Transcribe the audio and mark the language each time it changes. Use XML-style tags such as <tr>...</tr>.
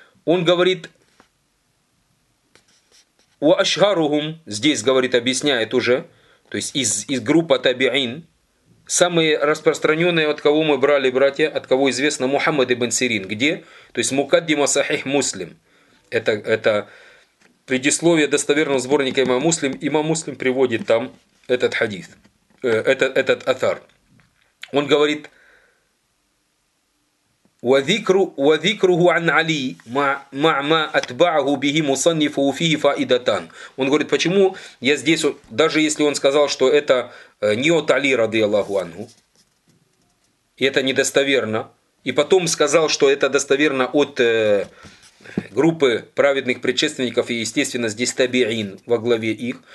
<ru>Он говорит, «У ашгарухум», здесь говорит, объясняет уже, то есть из группы табиин, самые распространенные, от кого мы брали, братья, от кого известно, Мухаммад ибн Сирин. Где? То есть «Мукаддима сахих муслим». Это предисловие достоверного сборника имама Муслим. Имам Муслим приводит там этот хадис, этот атар. Он говорит,</ru> <ar>وذكره عن علي مع ما أتبعه به مصنفه فيه فائدتان.</ar> <ru>Он говорит, почему я здесь, даже если он сказал, что это не от Али, ради Аллаху ангу, и это недостоверно, и потом сказал, что это достоверно от группы праведных предшественников, и, естественно, здесь табиин во главе их.</ru>